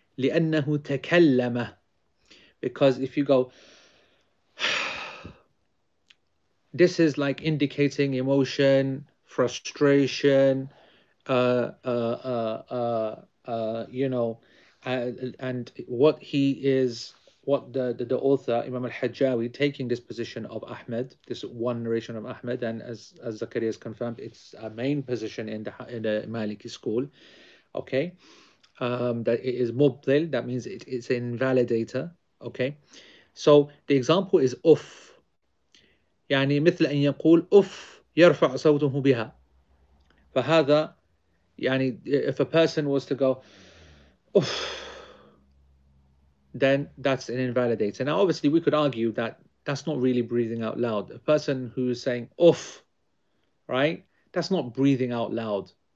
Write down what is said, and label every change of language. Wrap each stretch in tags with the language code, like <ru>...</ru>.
<ar>لِأَنَّهُ تَكَلَّمَ,</ar> <en>because if you go, this is like indicating emotion, frustration, and what he is, what the author, Imam Al-Hajjawi, taking this position of Ahmed, this one narration of Ahmed, and as Zakaria has confirmed, it's a main position in the Maliki school, okay? That it is mubtil, that means it's an invalidator, okay? So the example is uff.</en> <ar>يعني مثل أن يقول uff يرفع صوته بها. فهذا, يعني</ar> <en>if a person was to go uff, then that's an invalidator. Now, obviously, we could argue that that's not really breathing out loud. A person who's saying, uff, right? That's not breathing out loud.</en>